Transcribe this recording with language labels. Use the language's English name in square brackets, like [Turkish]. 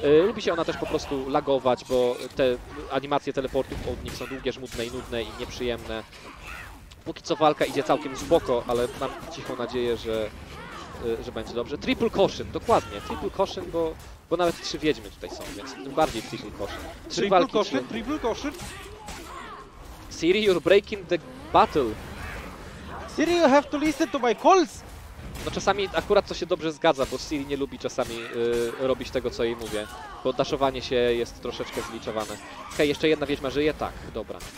[Polish] Lubi się ona też po prostu lagować, bo te animacje teleportów od nich są długie, żmudne i nudne i nieprzyjemne. Póki co walka idzie całkiem spoko, ale mam cichą nadzieję, że będzie dobrze. Triple Caution, dokładnie. Triple Caution, bo nawet trzy wiedźmy tutaj są, więc tym bardziej Triple Caution. Triple Caution. [English] Ciri, you're breaking the battle. Ciri, you have to listen to my calls. [Polish] No czasami akurat to się dobrze zgadza, bo Ciri nie lubi czasami robić tego, co jej mówię. Bo daszowanie się jest troszeczkę zliczowane. Okej, okay, jeszcze jedna wiedźma żyje? Tak, dobra.